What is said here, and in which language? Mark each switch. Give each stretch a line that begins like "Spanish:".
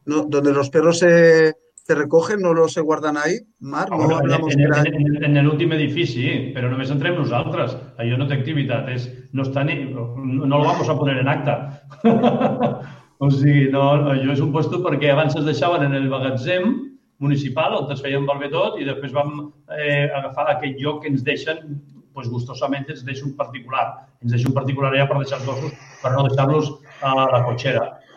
Spanish: Donde los perros se recogen, no los se guardan ahí, Marc. No, no,
Catalan: en l'últim edifici, però només entrem nosaltres. Allò no té activitat.
Spanish: No lo vamos a poner en acta.
Catalan: O sigui, no, allò és un puesto perquè abans es deixaven en el magatzem municipal, on es feien valver tot, i després vam agafar aquest lloc que ens deixen, pues gustosament ens deixa un particular. Ens deixa un particular allà per deixar els gossos, per no deixar-los a la cotxera.